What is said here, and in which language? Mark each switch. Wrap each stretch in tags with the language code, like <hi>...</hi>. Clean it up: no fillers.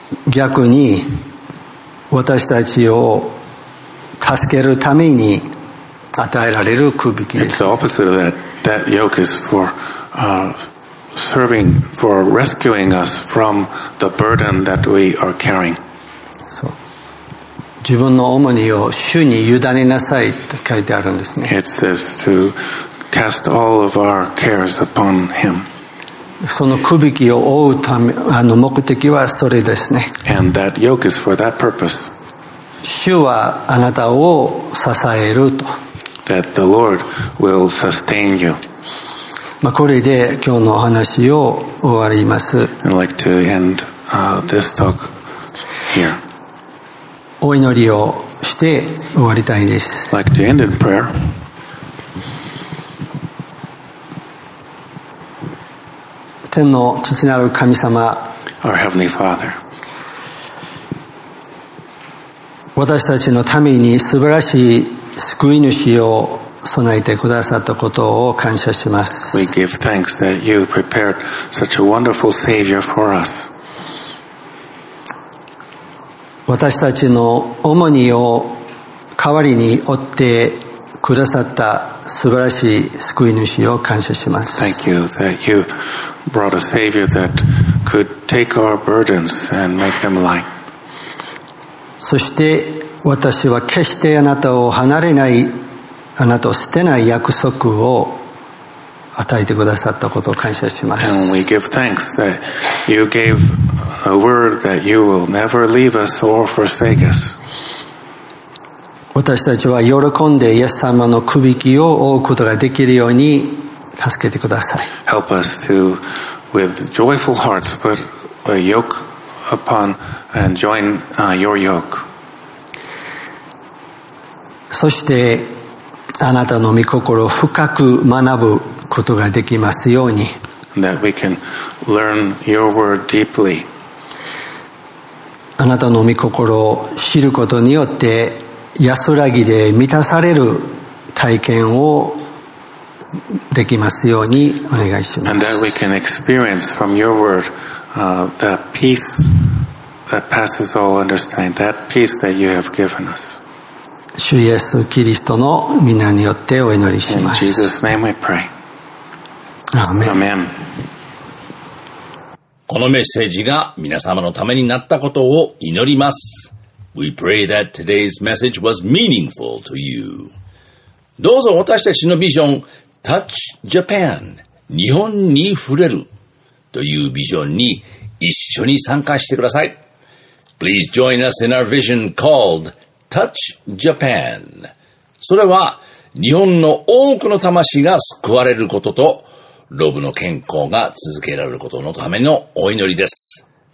<ja>逆に私たちを助けるために与えられる区引きです。</ja> <en>It's the opposite of that. That yoke is for serving, for rescuing us from the burden that we are carrying.</en> <ja>そう。自分の重荷を主に委ねなさいと書いてあるんですね。</ja> <en>It says to cast all of our cares upon him.</en> <ja>その区引きを負うため、目的はそれですね。</ja> <en>And that yoke is for that purpose.</en> <ja>主はあなたを支えると。</ja> <en>That the Lord will sustain you.</en> <ja>まあこれで今日のお話を終わります。</ja> <en>I'd like to end this talk here.</en> <ja>お祈りをして終わりたいです。</ja> <en>I'd like to end in prayer.</en> <ja>天の父なる神様。</ja> <en>Our Heavenly Father.</en> <ja>私たちのために素晴らしい救い主を備えてくださったことを感謝します。</ja> <en>We give thanks that you prepared such a wonderful Savior for us.</en> <ja>私たちの重荷を代わりに負ってくださった素晴らしい救い主を感謝します。</ja> <en>Thank you that you brought a Savior that could take our burdens and make them light.</en> <ja>そして私は決してあなたを離れない、あなたを捨てない約束を与えてくださったことを感謝します。</ja> <en>And we give thanks that you gave a word that you will never leave us or forsake us.</en> <ja>私たちは喜んでイエス様の首輝きを覆うことができるように助けてください。</ja> <en>Help us to with joyful hearts put a yoke upon and join your yoke.</en> <ja>そしてあなたの御心を深く学ぶことができますように。</ja> <en>That we can learn your word deeply.</en> <ja>あなたの御心を知ることによって安らぎで満たされる体験をできますようにお願いします。</ja> <en>And that we can experience from your word the peace that passes all understanding, that peace that you have given us.</en> <ja>主イエスキリストの御名によってお祈りします。</ja> <en>In Jesus' name we pray. Amen. Amen.</en> <ja>このメッセージが皆様のためになったことを祈ります。</ja> <en>We pray that today's message was meaningful to you.</en> <ja>どうぞ私たちのビジョン、Touch Japan 日本に触れるというビジョンに一緒に参加してください。</ja> <en>Please join us in our vision called Touch Japan.</en> <ja>それは日本の多くの魂が救われることとロブの健康が続けられることのためのお祈りです。</ja>